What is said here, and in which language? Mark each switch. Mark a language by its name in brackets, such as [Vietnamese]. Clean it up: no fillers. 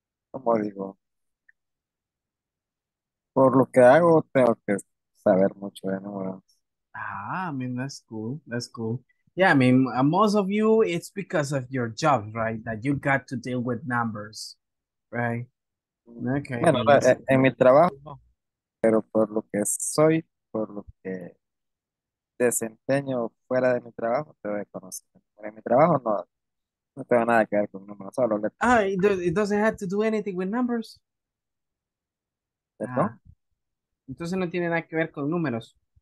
[Spanish] Como digo, por lo que hago, tengo que saber mucho de números. [English] Ah, I mean, that's cool. Yeah, I mean, most of you, it's because of your job, right? That you got to deal with numbers, right? Okay. [Spanish] Bueno, en mi trabajo, pero por lo que soy, por lo que desempeño fuera de mi trabajo, te voy a conocer. En mi trabajo, no. No tengo nada que ver con números, solo letras. [English] Ah, it doesn't have to do anything with numbers. [Spanish] ¿Perdón? Ah, entonces no tiene nada que ver con números.